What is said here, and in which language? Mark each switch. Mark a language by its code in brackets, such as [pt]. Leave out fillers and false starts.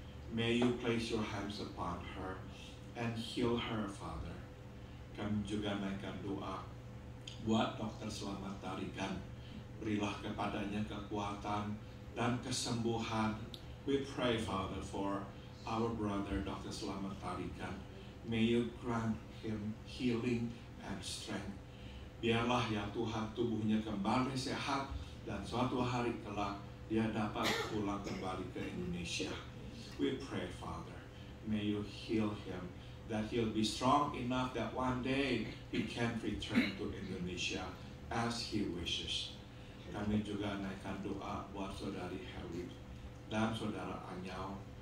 [en] May you place your hands upon her and heal her, Father. [id] Kami juga naikkan doa buat Dr. Selamat Tarigan. Berilah kepadanya kekuatan dan kesembuhan. [en] We pray, Father, for our brother Dr. Selamat Tarigan. May you grant him healing and strength. [id] Biarlah ya Tuhan tubuhnya kembali sehat dan suatu hari kelak dia dapat pulang kembali ke Indonesia. [en] We pray, Father, may you heal him, that he'll be strong enough that one day he can return to Indonesia as he wishes. [id] Kami juga naikkan doa buat saudari Harry dan saudara Anyau.